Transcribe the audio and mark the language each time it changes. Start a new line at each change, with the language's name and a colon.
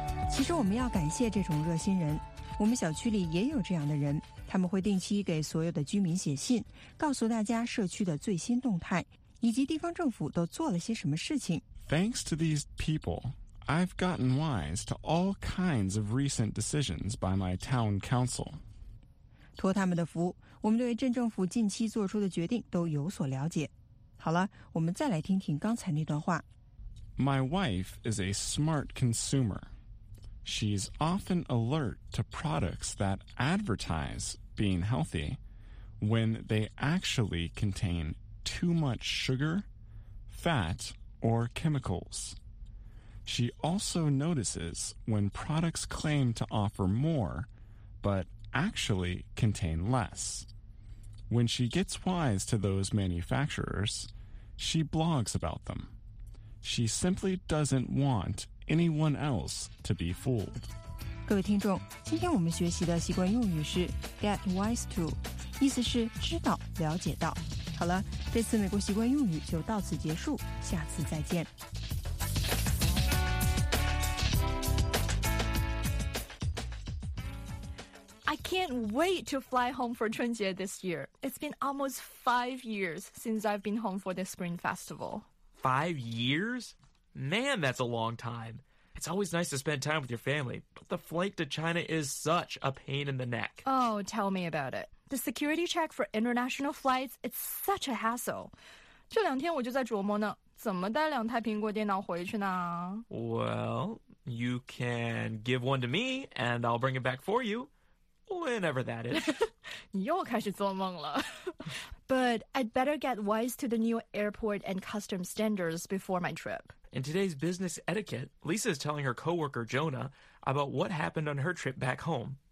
Chinese: 其实我们要感谢这种热心人，我们小区里也有这样的人。他们会定期给所有的居民写信，告诉大家社区的最新动态，以及地方政府都做了些什么事情。
English: Thanks to these people, I've gotten wise to all kinds of recent decisions by my town council.
Chinese: 托他们的福，我们对镇政府近期做出的决定都有所了解。好了，我们再来听听刚才那段话。
English: My wife is a smart consumer. She's often alert to products that advertise being healthy when they actually contain too much sugar, fat, or chemicals. She also notices when products claim to offer more, but actually contain less. When she gets wise to those manufacturers, she blogs about them. She simply doesn't want anyone else to be fooled.
Chinese: 各位听众，今天我们学习的习惯用语是
English: get wise to，
Chinese: 意思是知道、了解到。好了，这次美国习惯用语就到此结束，下次再见。
English: I can't wait to fly home for 春节 this year. It's been almost 5 years since I've been home for the Spring Festival. 5 years? Man, that's a long time. It's always nice to spend time with your family, but the flight to China is such a pain in the neck. Oh, tell me about it. The security check for international flights, it's such a hassle.
Chinese: 这两天我就在琢磨呢，怎么带两台苹果电脑回去呢？
English: Well, you can give one to me, and I'll bring it back for you, whenever that is.
Chinese: 你又开始做梦了。
English: But I'd better get wise to the new airport and customs standards before my trip. In today's business etiquette, Lisa is telling her coworker, Jonah, about what happened on her trip back home.